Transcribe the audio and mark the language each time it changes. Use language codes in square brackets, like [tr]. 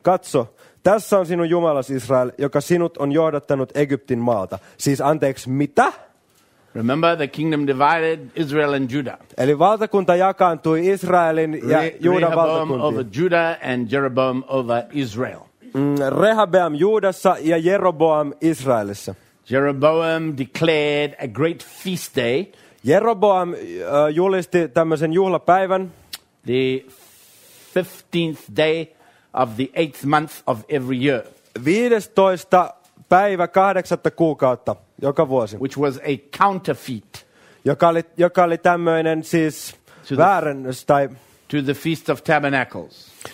[fi] Katso, tässä on sinun Jumalas Israel, joka sinut on johdattanut Egyptin maalta. Siis anteeksi, mitä? [en] Remember the kingdom divided Israel and Judah. [fi] Eli valtakunta jakaantui Israelin ja Juudan valtakuntiin. [en] Rehoboam over Judah and Jeroboam over Israel. [fi] Rehabeam Juudassa ja Jeroboam Israelissa. [en] Jeroboam declared a great feast day. [fi] Jeroboam julisti tämmöisen juhlapäivän. [en] The 15th day of the 8th month of every year. [fi] 15. päivä 8. kuukautta joka vuosi. [en] Which was a counterfeit. [fi] Joka oli tämmöinen siis väärennys tai [en] to the Feast of Tabernacles.